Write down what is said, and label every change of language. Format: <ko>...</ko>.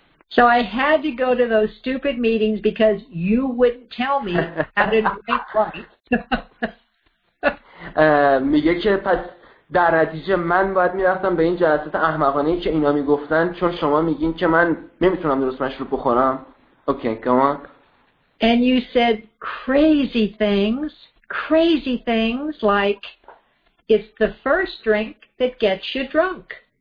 <en>So I had to go to those stupid meetings because you wouldn't tell me how to drink right.</en> <fa>میگه که پس در نتیجه من باید میرفتم به این جلسات احمقانه‌ای که اینا میگفتن چون شما میگین که من نمیتونم درست مشروب بخورم.</fa> <en>Okay, come on. And you said crazy things like it's the first drink that gets you drunk.</en>